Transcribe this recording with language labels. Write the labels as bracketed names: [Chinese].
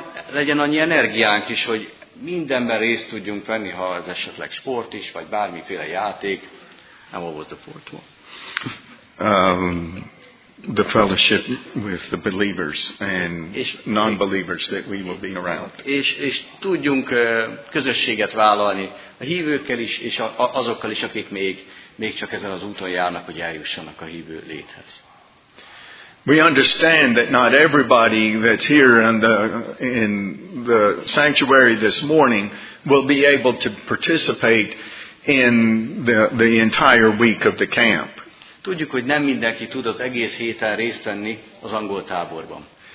[Hungarian] Legyen annyi energiánk is, hogy mindenben részt tudjunk venni, ha ez esetleg sport is, vagy bármiféle játék. [English] I'm always a sport one. The fellowship with the believers and non-believers that we will be around. [Hungarian] És tudjunk közösséget vállalni a hívőkkel is, és azokkal is, akik még csak ezen az úton járnak, hogy eljussanak a hívő léthez. [English] We understand that not everybody that's here in the sanctuary this morning will be able to participate in the entire week of the camp. [Hungarian] Tudjuk, hogy nem mindenki tud az egész héten részt venni az angol táborban.